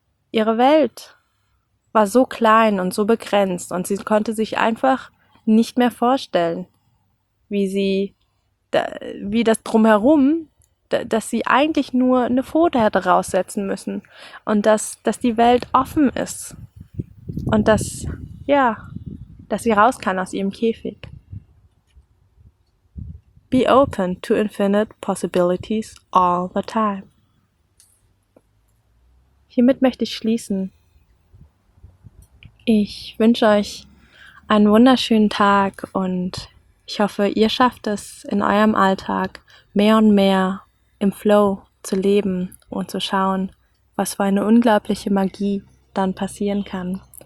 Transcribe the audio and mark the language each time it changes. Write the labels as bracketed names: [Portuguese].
[German] Ihre Welt war so klein und so begrenzt, und sie konnte sich einfach nicht mehr vorstellen, wie das drumherum, dass sie eigentlich nur eine Pfote hätte raussetzen müssen und dass die Welt offen ist und dass sie raus kann aus ihrem Käfig. [English] Be open to infinite possibilities all the time. [German] Hiermit möchte ich schließen. Ich wünsche euch einen wunderschönen Tag und ich hoffe, ihr schafft es in eurem Alltag mehr und mehr im Flow zu leben und zu schauen, was für eine unglaubliche Magie dann passieren kann.